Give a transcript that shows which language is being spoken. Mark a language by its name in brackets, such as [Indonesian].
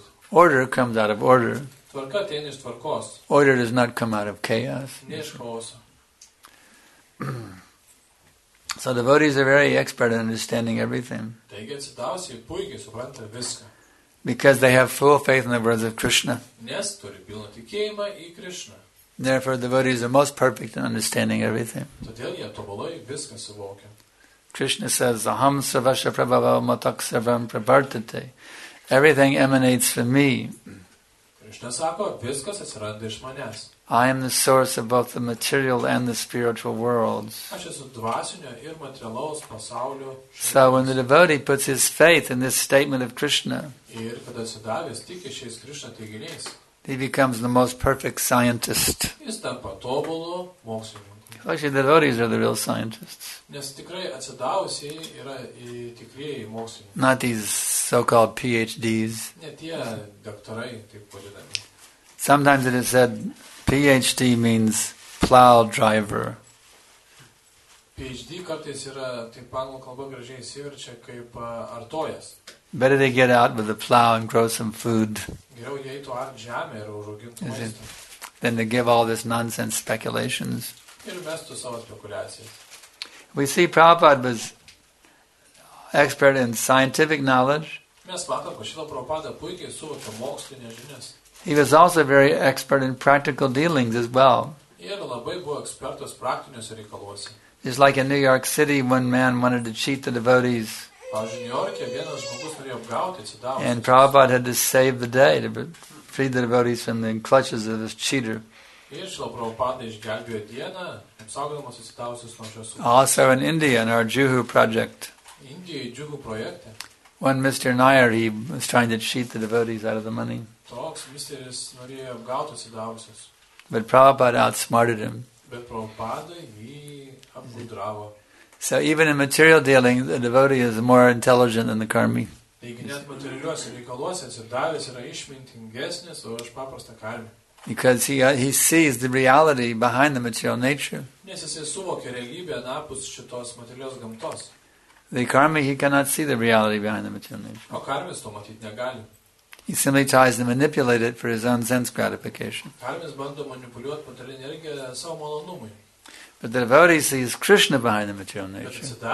[English] Order comes out of order. Order does not come out of chaos. So devotees are very expert in understanding everything. [Lithuanian] Taigi, atsidavusieji puikiai supranta viską. [English] Because they have full faith in the words of Krishna. [Lithuanian] Nes turi pilną tikėjimą į Krishna. [English] Therefore, devotees are most perfect in understanding everything. [Lithuanian] Todėl jie tobulai viską suvokia. [English] Krishna says, [Sanskrit] Aham sarvasya prabhava matak sarvam pravartate. [English] Everything emanates from me. [Lithuanian] Krishna sako, viskas atsiranda iš manęs. [English] I am the source of both the material and the spiritual worlds. [Lithuanian] Aš esu dvasinio ir materialaus pasaulio. [English] So when the devotee puts his faith in this statement of Krishna, [Lithuanian] ir kada atsidavęs tiki šiais Krishna teiginiais, [English] he becomes the most perfect scientist. [Lithuanian] Jis tampa tobulu mokslininku. [English] Actually, the devotees are the real scientists. [Lithuanian] Nes tikrai atsidavusi yra tikrieji mokslininkai. [English] Not these so-called PhDs. [Lithuanian] Ne tie doktorai, taip vadinami. [English] Sometimes it is said, PhD means plow driver. [Lithuanian] PhD kartais yra, taip anglų kalba gražiai įsiverčia, kaip artojas. [English] Better they get out with a plow and grow some food. [Lithuanian] Geriau jie eitų ar žemę ir užaugintų maistą. [English] Then they give all this nonsense speculations. [Lithuanian] Ir mestų savo spekuliacijas. [English] We see Prabhupada was expert in scientific knowledge. [Lithuanian] Mes matom, kad šita Prabhupada puikiai suvokė mokslinės žinias. [English] He was also very expert in practical dealings as well. [Lithuanian] Ir labai buvo ekspertas praktiniuose reikaluose. [English] It's like in New York City, one man wanted to cheat the devotees. [Lithuanian] Pavyzdžiui, New York'e vienas žmogus norėjo apgauti, atsidavusius. [English] And Prabhupada had to save the day to free the devotees from the clutches of this cheater. [Lithuanian] Ir šilo Prabhupada išgelbėjo dieną, apsaugodamas atsidavusius nuo šios. [English] Also in India, in our Juhu project. [Lithuanian] Indijai Juhu projekte. [English] When Mr. Nair, he was trying to cheat the devotees out of the money. [Lithuanian] Toks misteris norėjo apgauti atsidavusius. [English] But Prabhupada outsmarted him. [Lithuanian] Bet Prabhupada jį apgudravo. [English] So even in material dealing, the devotee is more intelligent than the karmi. [Lithuanian] Taigi net materialiuose reikaluose atsidavęs yra išmintingesnis už paprastą karmi. [English] Because he sees the reality behind the material nature. [Lithuanian] Nes jis suvokia realybę anapus šitos materialios gamtos. [English] The karmi, he cannot see the reality behind the material nature. [Lithuanian] O karmis to matyti negali. [English] He simply tries to manipulate it for his own sense gratification. [Lithuanian] Karmis bando manipuliuoti materialią energiją savo malonumui. [English] But the devotee sees Krishna behind the material nature.